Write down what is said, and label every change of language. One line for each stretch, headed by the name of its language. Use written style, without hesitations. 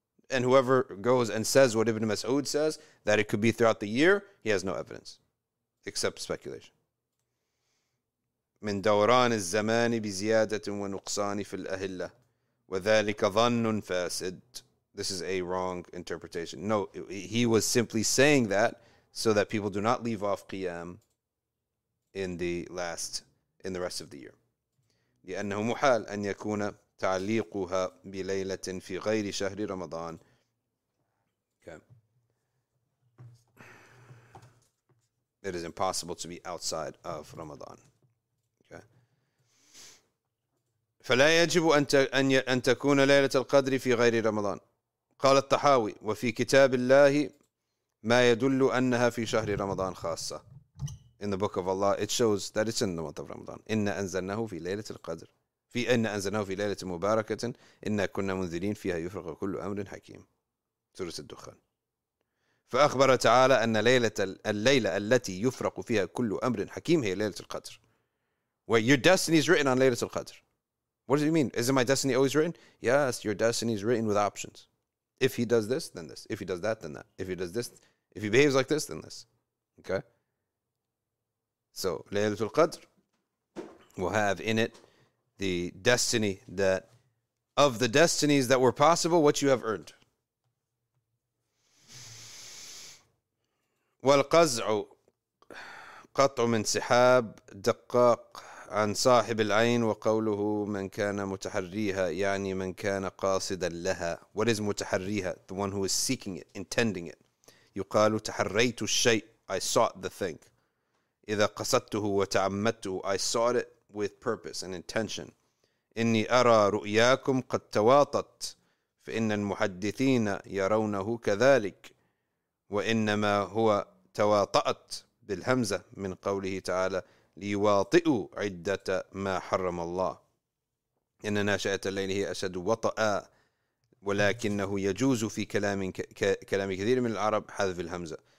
English: And whoever goes and says what Ibn Mas'ud says, that it could be throughout the year, he has no evidence, except speculation.
Arabic: من دوران الزمان بزيادة ونقصان في الأهلة وذلك ظن فاسد.
English: This is a wrong interpretation. No, he was simply saying that so that people do not leave off Qiyam in the rest of the year.
Arabic: لأنه محال أن يكون تعليقها بليلة في غير شهر رمضان.
English: It is impossible to be outside of Ramadan.
Arabic: فلا يجب أن تكون ليلة القدر في غير رمضان. قال الطحاوي وفي كتاب الله ما يدل أنها في شهر رمضان خاصة.
English: In the book of Allah, it shows that it's in the month of Ramadan.
Arabic: إن أنزلناه في ليلة القدر. في إن أنزلناه في ليلة مباركة. إن كنا منذرين فيها يفرق كل أمر حكيم. سورة الدخان. فأخبر تعالى أن الليلة التي يفرق فيها كل أمر حكيم هي ليلة القدر.
English: Where your destiny is written on ليلة القدر. What does it mean? Isn't my destiny always written? Yes, your destiny is written with options. If he does this, then this. If he does that, then that. If he does this, if he behaves like this, then this. Okay? So, ليلة القدر will have in it the destiny that, of the destinies that were possible, what you have earned.
Arabic: والقزع قطع من سحاب دقاق عن صاحب العين وقوله من كان متحريها يعني من كان قاصدا لها.
English: What is متحريها? The one who is seeking it, intending it.
Arabic: يقال تحريت الشيء,
English: I sought the thing.
Arabic: إذا قصدته وتعمدته,
English: I sought it with purpose and intention.
Arabic: إني أرى رؤياكم قد تواطت فإن المحدثين يرونه كذلك وإنما هو تواطأت بالهمزة من قوله تعالى ليواطئوا عدة ما حرم الله إن ناشئة الليل هي أشد وطأ ولكنه يجوز في كلام كثير من العرب حذف الهمزة.